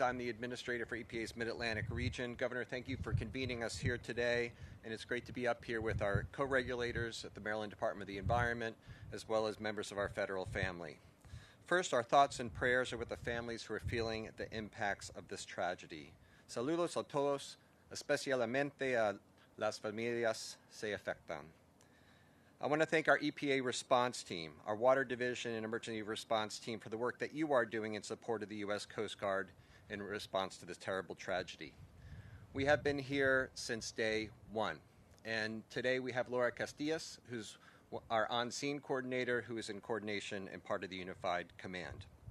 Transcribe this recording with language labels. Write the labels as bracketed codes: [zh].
[en] I'm the administrator for EPA's Mid-Atlantic region. Governor, thank you for convening us here today. And it's great to be up here with our co-regulators at the Maryland Department of the Environment, as well as members of our federal family. First, our thoughts and prayers are with the families who are feeling the impacts of this tragedy. [es] Saludos a todos, especialmente a las familias se afectan. [en] I want to thank our EPA response team, our water division and emergency response team for the work that you are doing in support of the U.S. Coast Guard in response to this terrible tragedy. We have been here since day one, and today we have Laura Castillas, who's our on-scene coordinator, who is in coordination and part of the Unified Command.